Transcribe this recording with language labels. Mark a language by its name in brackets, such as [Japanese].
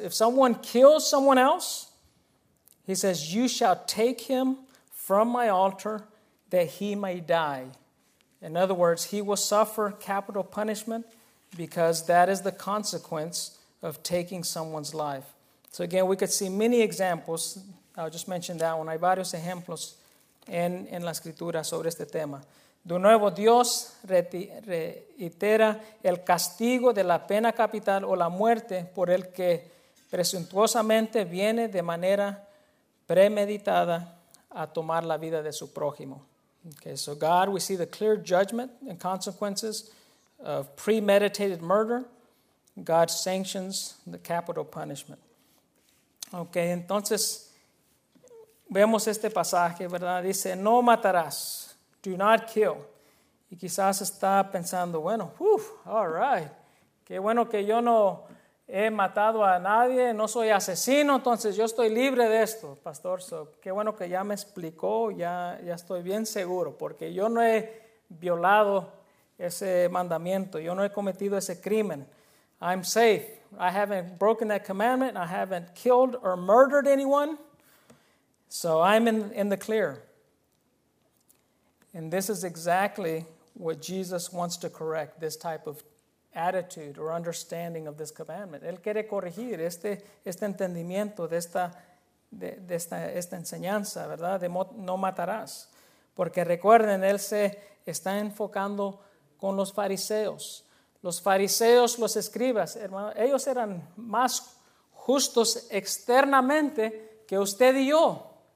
[English] If someone kills someone else, he says, you shall take him from my altar that he may die. In other words, he will suffer capital punishment because that is the consequence of taking someone's life. So again, we could see many examples. I'll just mention that one. [Spanish] Hay varios ejemplos en la escritura sobre este tema. De nuevo, Dios reitera el castigo de la pena capital o la muerte por el que presuntuosamente viene de manera premeditada a tomar la vida de su prójimo. [English] Okay, so God, we see the clear judgment and consequences of premeditated murder. God sanctions the capital punishment. [Spanish] Okay, entonces, vemos este pasaje, ¿verdad? Dice, no matarás, [English] do not kill. [Spanish] Y quizás está pensando, bueno, whew, [English] all right, [Spanish] qué bueno que yo no he matado a nadie, no soy asesino, entonces yo estoy libre de esto, pastor. So, qué bueno que ya me explicó, ya estoy bien seguro, porque yo no he violado ese mandamiento, yo no he cometido ese crimen. [English] I'm safe. I haven't broken that commandment. I haven't killed or murdered anyone. So I'm in the clear. And this is exactly what Jesus wants to correct, this type of attitude or understanding of this commandment. [Spanish] Él quiere corregir este entendimiento de esta enseñanza, ¿verdad? De no matarás. Porque recuerden, él se está enfocando con los fariseos. Los fariseos, los escribas, hermano, ellos eran más justos externamente que usted y yo.